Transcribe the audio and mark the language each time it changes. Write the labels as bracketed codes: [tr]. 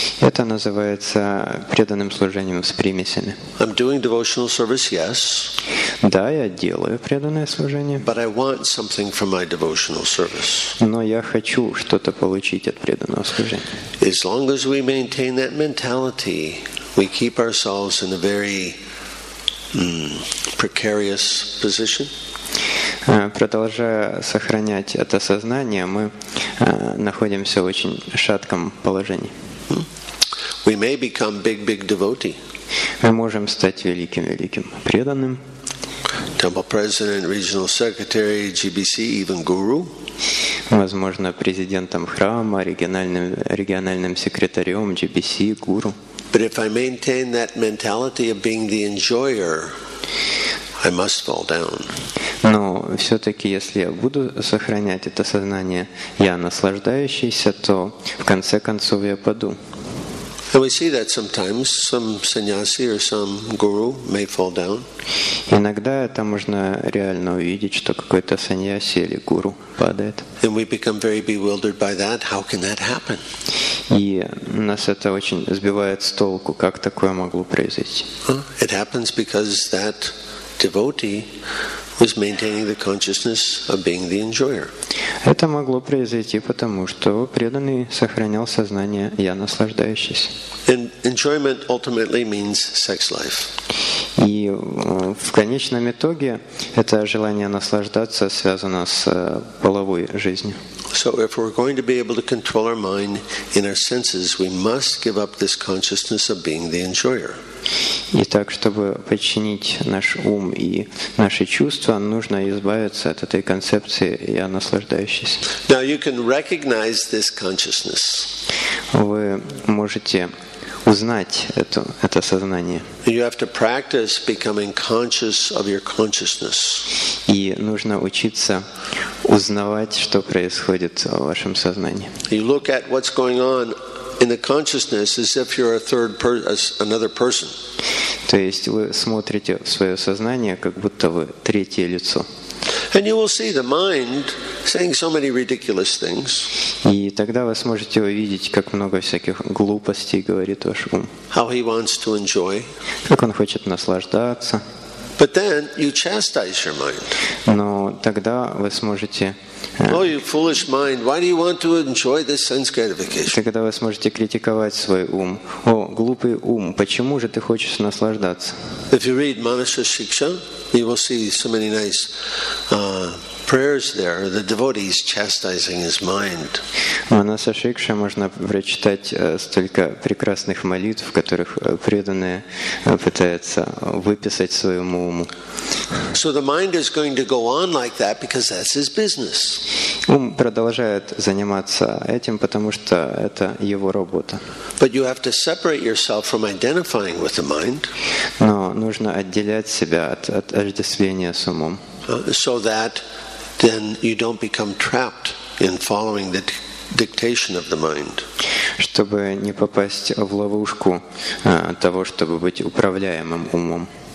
[ru] Это называется преданным служением с примесями. [en] I'm doing devotional service, yes. [ru] Да, я делаю преданное служение. [en] But I want something from my devotional service. [ru] Но я хочу что-то получить от преданного служения. [en] As long as we maintain that mentality, we keep ourselves in a very precarious position. [ru] Продолжая сохранять это сознание, мы находимся в очень шатком положении. [en] We may become big devotee. [ru] Мы можем стать великим преданным. [en] Temple president, regional secretary, GBC, even guru. [ru] Возможно, президентом храма, региональным секретарем, GBC, гуру. [en] But if I maintain that mentality of being the enjoyer, I must fall down. [ru] Но все-таки, если я буду сохранять это сознание, я наслаждающийся, то в конце концов я паду. [en] And we see that sometimes some sannyasi or some guru may fall down. [ru] Иногда это можно реально увидеть, что какой-то сannyasi или гуру падает. [en] And we become very bewildered by that. How can that happen? [ru] И нас это очень сбивает с толку, как такое могло произойти. [en] It happens because that devotee was maintaining the consciousness of being the enjoyer. [ru] Это могло произойти потому, что преданный сохранял сознание я наслаждающийся. [en] And enjoyment ultimately means sex life. [ru] И в конечном итоге это желание наслаждаться связано с половой жизнью. [en] So if we're going to be able to control our mind in our senses, we must give up this consciousness of being the enjoyer. [ru] Итак, чтобы подчинить наш ум и наши чувства, нужно избавиться от этой концепции «я наслаждающийся». [en] Now you can recognize this consciousness. [ru] Вы можете узнать это сознание. [en] You have to practice becoming conscious of your consciousness. [ru] И нужно учиться узнавать, что происходит в вашем сознании. [en] You look at what's going on in the consciousness as if you're another person. [ru] То есть вы смотрите в своё сознание, как будто вы третье лицо. [en] And you will see the mind saying so many ridiculous things. [ru] И тогда вы сможете увидеть, как много всяких глупостей говорит ваш ум. [en] How he wants to enjoy. [ru] Как он хочет наслаждаться. [en] But then you chastise your mind. [ru] Но тогда вы сможете [en] Oh, you foolish mind! Why do you want to enjoy this sense gratification? [ru] Тогда вы сможете критиковать свой ум. О, глупый ум! Почему же ты хочешь наслаждаться? [en] If you read Manasa Shiksha, you will see so many nice prayers there. The devotee is chastising his mind. [ru] Манаса Шикша можно прочитать столько прекрасных молитв, в которых преданные пытаются выписать своему уму. [en] So the mind is going to go on like that because that's his business. [ru] Ум продолжает заниматься этим, потому что это его работа. [en] But you have to separate yourself from identifying with the mind. [ru] Но нужно отделять себя от отождествления с умом. [en] So that then you don't become trapped in following the dictation of the mind. [ru] Чтобы не попасть в ловушку того, чтобы быть управляемым умом.